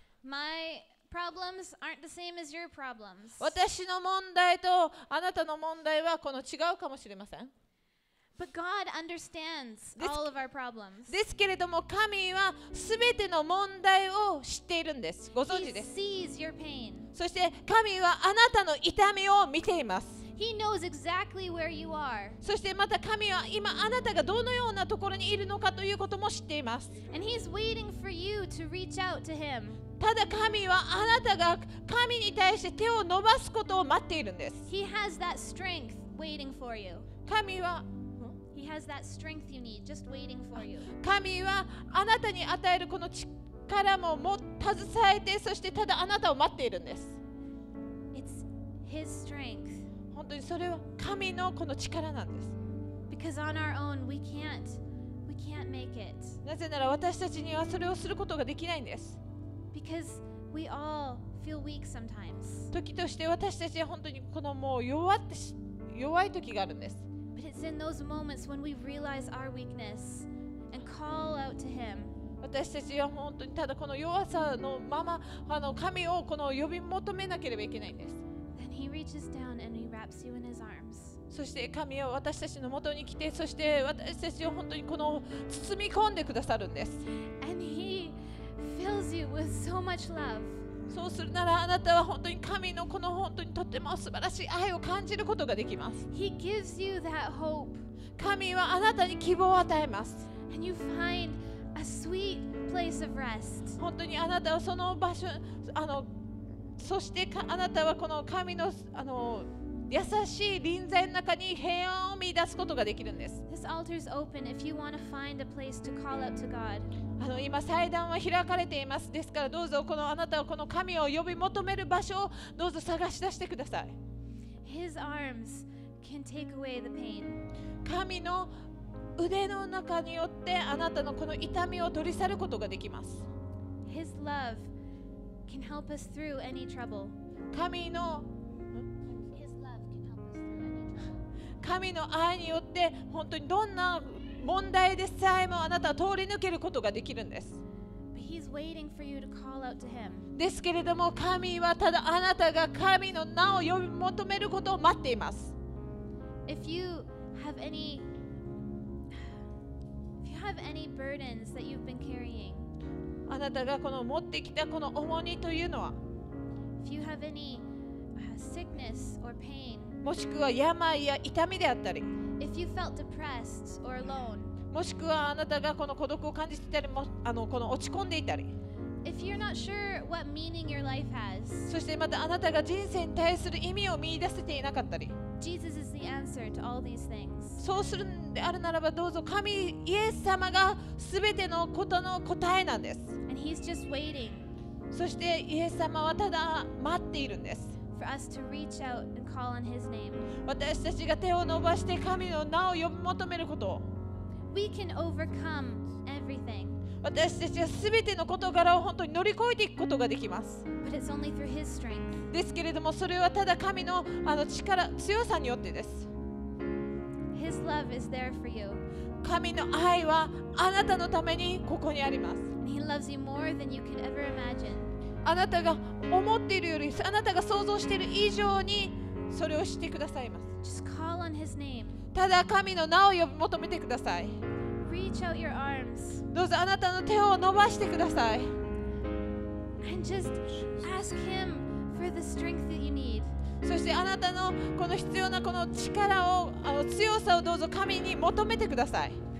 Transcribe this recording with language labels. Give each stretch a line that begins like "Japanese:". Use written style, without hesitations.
English: My problems aren't the same as your problems.
Japanese: 私の問題とあなたの問題はこの違うかもしれません。
English: But God understands all of our problems.
Japanese: ですけれども神は全ての問題を知っているんです。ご存知です。
English: He sees your pain.
Japanese: そして神はあなたの痛みを見ています。
English: He knows exactly where you are.
Japanese: そしてまた神は今あなたがどのようなところにいるのかということも知っています。
English: And he's waiting for you to reach out to him.
Japanese: ただ神はあなたが神に対して手を伸ばすことを待っているんです。
English: He has that strength waiting for you.
Japanese: 神は
English: He has that strength you need just waiting for you.
Japanese: 神はあなたに与えるこの力も携えて、そしてただあなたを待っているんです。
English: It's his strength.
Japanese: 本当にそれは神のこの力なんです。
English: Because on our own we can't, we can't make it.
Japanese: なぜなら私たちにはそれをすることができないんです。
English: Because we all feel weak sometimes.
Japanese: 時として私たちは本当にこのもう弱い時があるんです。
English: But it's in those moments when we realize our weakness and call out to him.
Japanese: 私たちは本当にただこの弱さのままあの神をこの呼び求めなければいけないんです。
English: He reaches down and he wraps you in his arms.
Japanese: そして神は私たちの元に来て、そして私たちを本当にこの包み込んでくださるんです。
English: And he fills you with so much love.
Japanese: そうするならあなたは本当に神のこの本当にとっても素晴らしい愛を感じることができます。
English: He gives you that hope.
Japanese: 神はあなたに希望を与えます。
English: And you find a sweet place of rest.
Japanese: 本当にあなたはその場所あのそしてあなたはこの神 の, あの優しい臨在の中に平安を見出すことができるんです。
English: Open, to call out to God.
Japanese: あの今祭壇は開かれています。ですからどうぞこのあなたはこの神を呼び求める場所をどうぞ探し出してください。
English: His arms can take away the pain.
Japanese: 神の腕の中によってあなたのこの痛みを取り去ることができます。
English: His love. Can help us through any trouble.
Japanese: 神の
English: His love can help us through any
Japanese: 神の愛によって本当にどんな問題でさえもあなたは通り抜けることができるんです。
English: But he's waiting for you to call out to him.
Japanese: ですけれども神はただあなたが神の名を呼び求めることを待っています。
English: If you have any burdens that you've been carrying
Japanese: あなたがこの持ってきたこの重荷というのは、
English: If you have any sickness or pain,
Japanese: もしくは病や痛みであったり、
English: If you felt depressed or alone,
Japanese: もしくはあなたがこの孤独を感じていたり、あのこの落ち込んでいたり、
English: If you're not sure what meaning your life has,
Japanese: そしてまたあなたが人生に対する意味を見出せていなかったり、
English: Jesus is the answer to all these things.
Japanese: そうするんであるならば、どうぞ神イエス様がすべてのことの答えなんです。
English: And he's just waiting.
Japanese: そしてイエス様はただ待っているんです。
English: For us to reach out and call on His name.
Japanese: 私たちが手を伸ばして神の名を呼び求めること。
English: We can overcome everything.
Japanese: 私たちはすべての事柄を本当に乗り越えていくことができます。
English: But it's only through His strength.
Japanese: ですけれども、それはただ神の、あの力、強さによってです。
English: His love is there for you.
Japanese: 神の愛はあなたのためにここにあります。
English: And He loves you more than you could ever imagine.
Japanese: あなたが思っているより、あなたが想像している以上にそれをしてくださいます。
English: Just call on his name.
Japanese: ただ神の名を呼び求めてください。
English: Reach out your arms.
Japanese: どうぞあなたの手を伸ばしてください。
English: And just ask him for the strength that you need.
Japanese: そしてあなたのこの必要なこの力を、あの強さをどうぞ神に求めてください。